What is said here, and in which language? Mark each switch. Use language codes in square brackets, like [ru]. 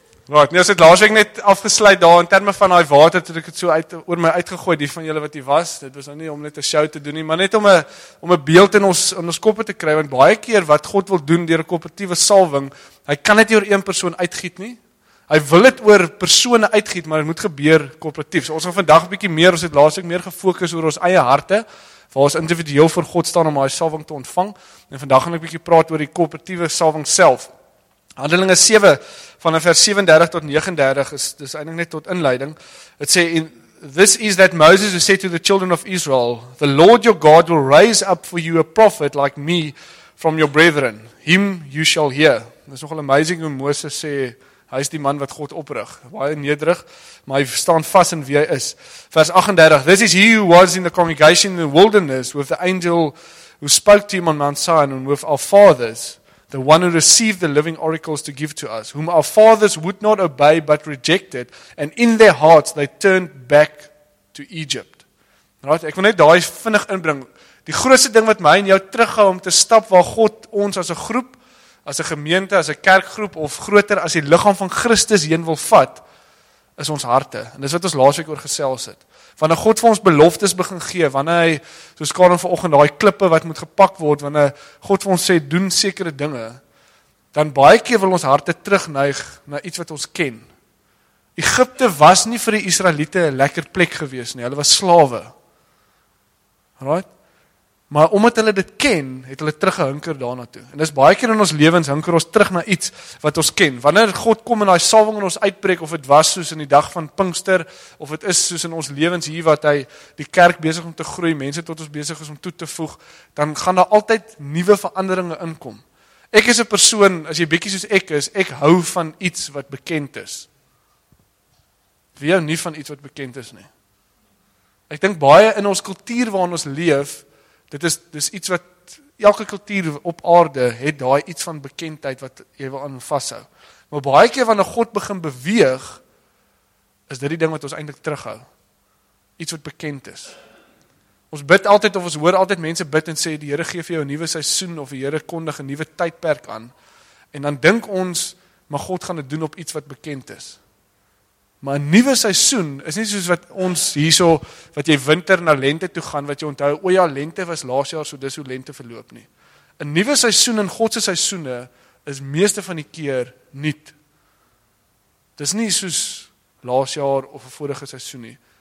[af] Right, nee, ons het laasweek net afgesluit daar in terme van daai water toe ek het so uit oor my uitgegooi die van julle wat hier was. Dit was nou nie om net 'n show te doen nie, maar net om 'n beeld in ons koppe te kry want baie keer wat God wil doen deur 'n korporatiewe salwing, hy kan dit nie oor een persoon uitgiet nie. Hy wil dit oor persone uitgiet, maar dit moet gebeur korporatief. So ons gaan vandag 'n bietjie meer, ons het laasweek meer gefokus oor ons eie harte waar ons individueel vir God staan om daai salwing te ontvang en vandag gaan ek 'n bietjie praat oor die korporatiewe salwing self. Handelinge 7 van vers 37 tot 39 is dis eintlik net tot inleiding. Dit sê in [en] this is that Moses said to the children of Israel, the Lord your God will raise up for you a prophet like me from your brethren. Him you shall hear. [af] Dis nogal amazing hoe Moses sê hy is die man wat God oprig. Baie nederig, maar hy staan vas in wie hy is. Vers 38. [en] This is he who was in the congregation in the wilderness with the angel who spoke to him on Mount Sinai and with our fathers. The one who received the living oracles to give to us, whom our fathers would not obey but rejected, and in their hearts they turned back to Egypt. [af] Right? Ek wil net daai vinnig inbring. Die grootste ding wat my en jou terughou om te stap waar God ons as 'n groep, as 'n gemeente, as 'n kerkgroep of groter as die liggaam van Christus heen wil vat, is ons harte. En dis wat ons laasweek oor gesels het. Wanneer God vir ons beloftes begin gee, wanneer hy, soos Karin vanoggend, daai klippe wat moet gepak word, wanneer God vir ons sê, doen sekere dinge, dan baie keer wil ons harte terugneig na iets wat ons ken. Egypte was nie vir die Israeliete 'n lekker plek gewees nie, hulle was slawe. Right? Maar omdat hulle dit ken, het hulle teruggehunker daarna toe. En dis baie keer in ons lewens, hunker ons terug na iets wat ons ken. Wanneer God kom en hy salwing in ons uitbreek, of het was soos in die dag van Pinkster, of het is soos in ons lewens hier, wat hy die kerk besig om te groei, mense tot ons besig is om toe te voeg, dan gaan daar altyd nuwe veranderinge inkom. Ek is 'n persoon, as jy bietjie soos ek is, ek hou van iets wat bekend is. Wie hou nie van iets wat bekend is nie? Ek dink baie in ons kultuur waarin ons leef, Dit is iets wat elke kultuur op aarde het daai iets van bekendheid wat jy wil aan vashou. Maar baie keer wanneer God begin beweeg, is dit die ding wat ons eintlik terughou. Iets wat bekend is. Ons bid altyd of ons hoor altyd mense bid en sê die Here gee vir jou 'n nuwe seisoen of die Here kondig 'n nuwe tydperk aan. En dan dink ons, maar God gaan dit doen op iets wat bekend is. Maar 'n nuwe seisoen is nie soos wat ons hierso wat jy winter na lente toe gaan wat jy onthou o ja lente was laas jaar so dis hoe lente verloop nie. 'n Nuwe seisoen in God se seisoene is meeste van die keer nuut. Dis nie soos laas jaar of 'n vorige seisoen nie.